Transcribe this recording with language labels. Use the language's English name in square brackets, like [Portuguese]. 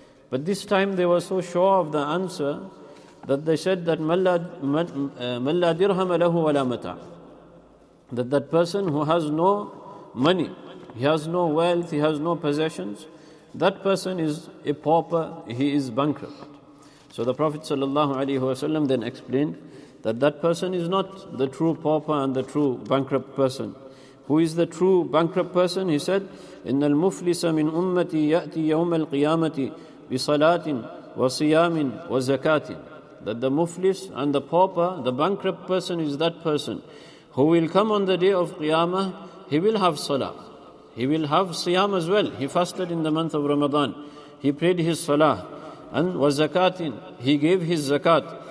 [English] But this time they were so sure of the answer that they said that [Arabic] man la dirhama lahu wa la mata, [English] that person who has no money, he has no wealth, he has no possessions, That person is a pauper, he is bankrupt. So the Prophet ﷺ then explained that that person is not the true pauper and the true bankrupt person. Who is the true bankrupt person? He said, [Arabic] إِنَّ الْمُفْلِسَ مِنْ أُمَّتِي يَأْتِ يَوْمَ الْقِيَامَةِ بِصَلَاةٍ وَصِيَامٍ وَزَكَاةٍ. [English] That the muflis and the pauper, the bankrupt person is that person who will come on the day of Qiyamah, he will have salah. He will have siyam as well. He fasted in the month of Ramadan. He prayed his salah. And wazakatin, he gave his zakat.